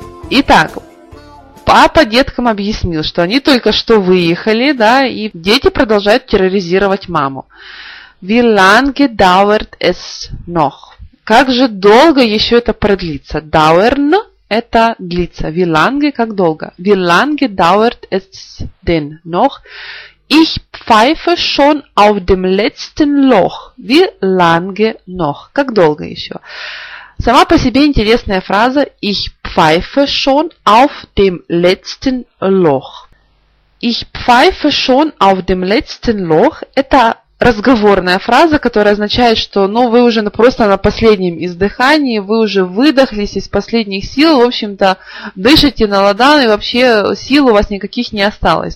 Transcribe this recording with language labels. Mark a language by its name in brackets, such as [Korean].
[Russian] Итак, папа деткам объяснил, что они только что выехали, да, и дети продолжают терроризировать маму. [German] Wie lange dauert es noch? [Russian] Как же долго еще это продлится? Dauern – это длится. [German] Wie lange [Russian] – как долго? [German] Wie lange dauert es denn noch? Ich pfeife schon auf dem letzten Loch. Wie lange noch? [Russian] Как долго еще? Сама по себе интересная фраза [German] «Ich pfeife schon auf dem letzten Loch». «Ich pfeife schon auf dem letzten Loch» [Russian] – это разговорная фраза, которая означает, что ну, вы уже просто на последнем издыхании, вы уже выдохлись из последних сил, в общем-то, дышите на ладан, и вообще сил у вас никаких не осталось.